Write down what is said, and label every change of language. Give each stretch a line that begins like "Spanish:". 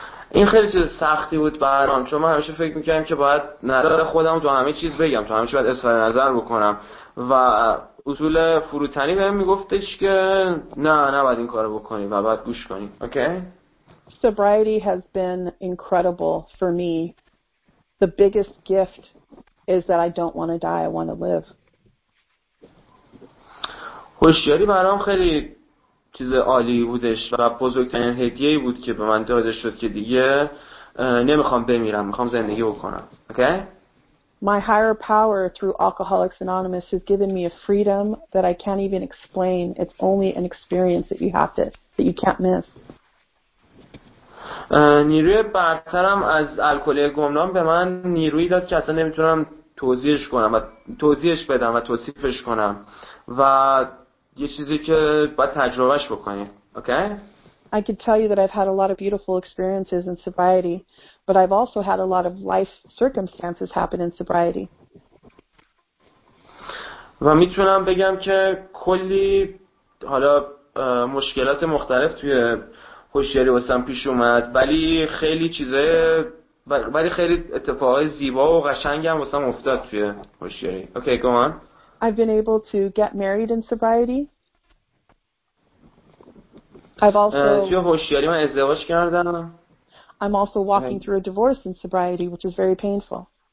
Persian: این خیلی چیز سختی بود برام چون من همیشه فکر میکردم که باید نظر خودم تو همه چیز بگم، تو همه چیز باید اظهار نظر بکنم و اصول فروتنی بهم میگفتش که نه نباید این کارو بکنی و باید گوش کنی.
English: Okay? Sobriety has been incredible for me. The biggest gift is that I don't want to die, I want to live.
Persian: هوشیاری برام خیلی چیز عالی بودش و بزرگترین هدیه‌ای بود که به من داده شد که دیگه نمیخوام بمیرم، میخوام زندگی بکنم.
English: Okay? My higher power through Alcoholics Anonymous has given me a freedom that I can't even explain. It's only an experience that you have to, that you can't miss.
Persian: نیروی برترم از الکل گمنام به من نیروی داد که اصلا نمیتونم توضیحش کنم و توضیحش بدم و توصیفش کنم و یه چیزی که باید تجربهش بکنی.
English: Okay? I could tell you that I've had a lot of beautiful experiences in sobriety, but I've also had a lot of life circumstances happen in sobriety.
Persian: و میتونم بگم که کلی حالا مشکلات مختلف توی هوشیاری واسم پیش اومد، ولی خیلی چیزای ولی خیلی اتفاقای زیبا و قشنگ هم واسم افتاد توی هوشیاری.
English: Okay, go on. I've been able to get married in sobriety.
Persian: توی هوشیاری من ازدواج کردم.
English: I'm also walking through a divorce in sobriety, which is very painful.